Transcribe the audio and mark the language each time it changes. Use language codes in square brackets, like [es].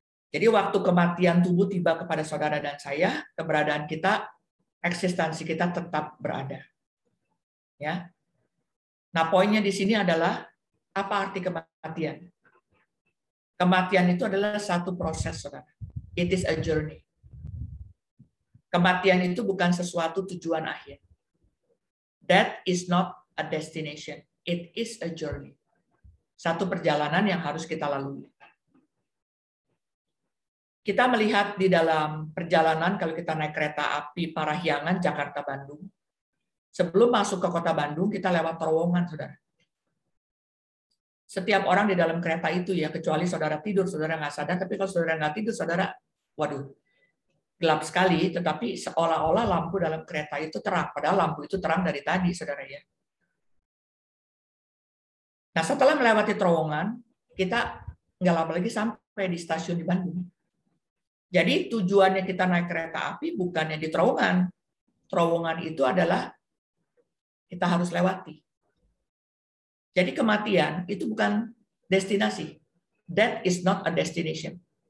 [id] Jadi waktu kematian tubuh tiba kepada saudara dan saya, keberadaan kita, eksistensi kita tetap berada. Ya. Nah, poinnya di sini adalah apa arti kematian? Kematian itu adalah satu proses, saudara. [en] It is a journey. [id] Kematian itu bukan sesuatu tujuan akhir. [en] Death is not a destination. It is a journey. [id] Satu perjalanan yang harus kita lalui. Kita melihat di dalam perjalanan, kalau kita naik kereta api Parahyangan, Jakarta-Bandung, sebelum masuk ke kota Bandung, kita lewat terowongan, saudara. Setiap orang di dalam kereta itu, ya, kecuali saudara tidur, saudara nggak sadar, tapi kalau saudara nggak tidur, saudara, waduh, gelap sekali, tetapi seolah-olah lampu dalam kereta itu terang. Padahal lampu itu terang dari tadi, saudara, ya. Nah, setelah melewati terowongan, kita nggak lama lagi sampai di stasiun di Bandung. Jadi tujuannya kita naik kereta api bukannya di terowongan. Terowongan itu adalah kita harus lewati. Jadi kematian itu bukan destinasi. [en] That is not a destination.